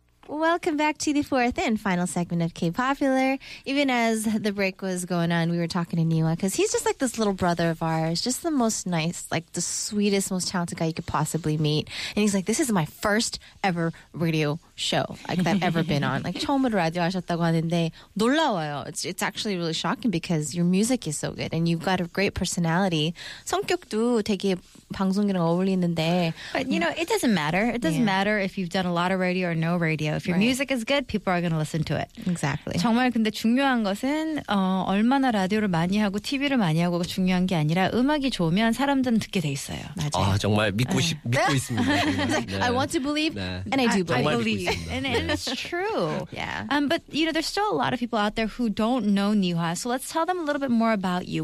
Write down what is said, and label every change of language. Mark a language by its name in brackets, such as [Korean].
[English] Welcome back to the fourth and final segment of K-Popular. Even as the break was going on, we were talking to NiiHWA because he's just like this little brother of ours, just the most nice, like the sweetest, most talented guy you could possibly meet. And he's like, this is my first ever radio show like that I've ever been on. [Korean] Like, 처음으로 라디오 하셨다고 하는데 놀라워요. [English] It's actually really shocking because your music is so good and you've got a great personality. [Korean] 성격도 되게 방송이랑 어울리는데. [English] But, you know, it doesn't matter. It doesn't matter if you've done a lot of radio or no radio. If your music is good, people are going to listen to it. Exactly. [Korean] 정말 근데 중요한 것은 얼마나 라디오를 많이 하고 TV를 많이 하고 중요한 게 아니라 음악이 좋으면 사람들은 듣게 돼 있어요. 맞아요. 아, 정말 믿고 믿고 있습니다. [English] I want to believe and I do believe. And it's true. Yeah. But, you know, there's still a lot of people out there who don't know NiiHWA. So let's tell them a little bit more about you.